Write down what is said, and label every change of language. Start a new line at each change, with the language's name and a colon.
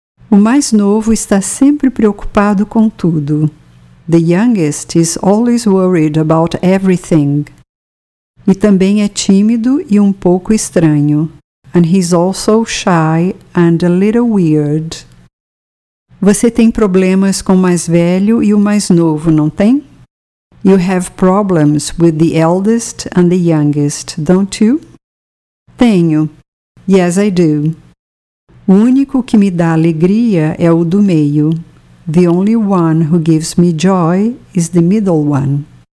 Portuguese: O mais novo está sempre preocupado com tudo.
English: The youngest is always worried about everything.
Portuguese: E também é tímido e um pouco estranho.
English: And he's also shy and a little weird.
Portuguese: Você tem problemas com o mais velho e o mais novo, não tem?
English: You have problems with the eldest and the youngest, don't you?
Portuguese: Tenho.
English: Yes, I do.
Portuguese: O único que me dá alegria é o do meio.
English: The only one who gives me joy is the middle one.